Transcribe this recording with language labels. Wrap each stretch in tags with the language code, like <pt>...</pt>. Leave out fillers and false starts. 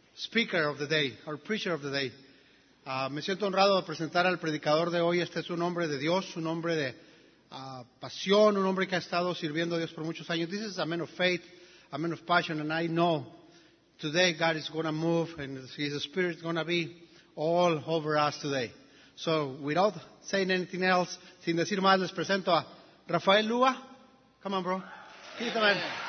<en>speaker of the day, our preacher of the day.</en> <es>Me siento honrado de presentar al predicador de hoy. Este es un hombre de Dios, un hombre de pasión, un hombre que ha estado sirviendo a Dios por muchos años.</es> <en>This is a man of faith, a man of passion, and I know today God is going to move and His Spirit is going to be all over us today. So, without saying anything else,</en> <es>sin decir más,</es> <en>les presento a Rafael Lua. Come on, bro. Keep it, man.</en>